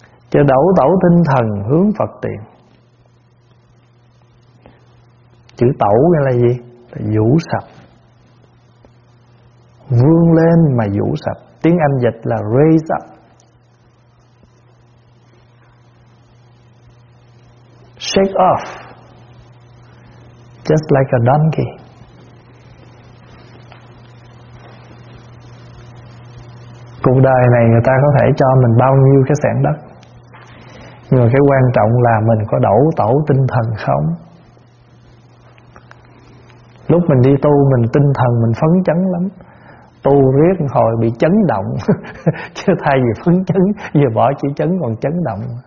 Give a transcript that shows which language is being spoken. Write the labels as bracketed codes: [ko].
[vi] Chờ đẩu tẩu tinh thần hướng Phật tiền. Chữ tẩu nghĩa là gì? Là vũ sạch. Vươn lên mà vũ sạch, tiếng Anh dịch là raise up. [en] Shake off, just like a donkey. [vi] Cuộc đời này người ta có thể cho mình bao nhiêu cái sẻn đất, nhưng mà cái quan trọng là mình có đẩu tẩu tinh thần không. Lúc mình đi tu mình tinh thần mình phấn chấn lắm, tu riết hồi bị chấn động chứ thay vì phấn chấn giờ bỏ chữ chấn còn chấn động.